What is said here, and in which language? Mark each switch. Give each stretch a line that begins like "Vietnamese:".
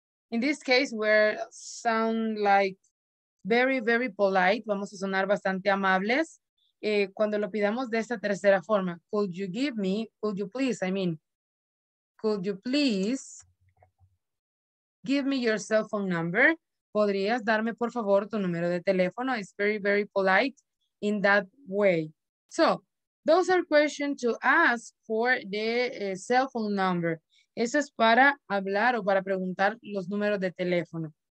English: In this case, we're sound like very, very polite.
Spanish: Vamos a sonar bastante amables. Cuando lo pidamos de esta tercera forma,
English: could you give me, could you please, I mean, could you please give me your cell phone number?
Spanish: ¿Podrías darme, por favor, tu número de teléfono?
English: It's very, very polite in that way. So, those are questions to ask for the cell phone number.
Spanish: Eso es para hablar o para preguntar los números de teléfono.